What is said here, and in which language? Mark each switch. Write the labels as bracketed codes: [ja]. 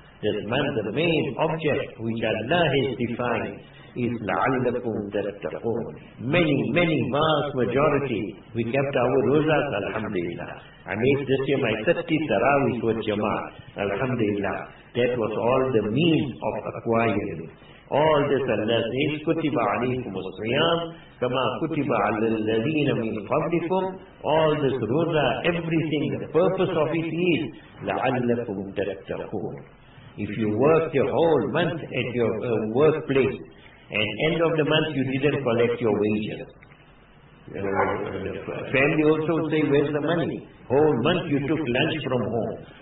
[en] This month, the main object which Allah has defined is [ar] لَعَلَّكُمْ تَتَّقُونَ. [en] Many, many vast majority, we kept our rozas, alhamdulillah. I made this year my 30 tarawih with Jama'at, alhamdulillah. That was all the means of acquiring it. All this Allah says, [ar] كُتِبَ عَلَيْكُمُ الصِّيَامُ كَمَا كُتِبَ عَلَى الَّذِينَ مِنْ قَبْلِكُمْ. [en] All this roza, everything, the purpose of it is [ar] لَعَلَّكُمْ تَتَّقُونَ. [en] If you work your whole month at your workplace, and end of the month you didn't collect your wages. Family also say, where's the money? Whole month you took lunch from home.